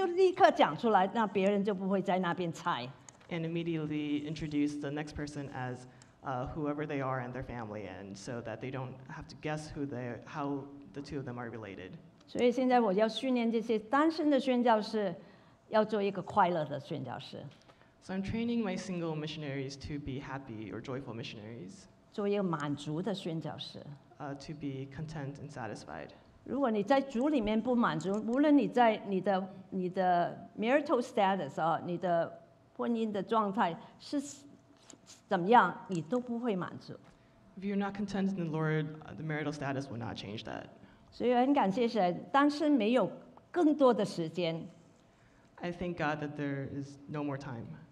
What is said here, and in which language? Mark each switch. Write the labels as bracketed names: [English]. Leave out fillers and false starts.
[Chinese] 这位是刘牧师或刘宣教师他的家庭，你就立刻讲出来，那别人就不会在那边猜。 [English] And immediately introduce the next person as whoever they are and their family, and so that they don't have to guess who they are, how the two of them are related. [Chinese] 所以现在我要训练这些单身的宣教师，要做一个快乐的宣教师。 [English] So I'm training my single missionaries to be happy or joyful missionaries. [Chinese] 做一个满足的宣教师。 [English] To be content and satisfied. [Chinese] 如果你在主里面不满足，无论你在你的 marital status 啊，你的婚姻的状态是怎么样，你都不会满足。 [English] If you're not content in the Lord, the marital status will not change that. [Chinese] 所以很感谢神，单身没有更多的时间。 [English] I thank God that there is no more time.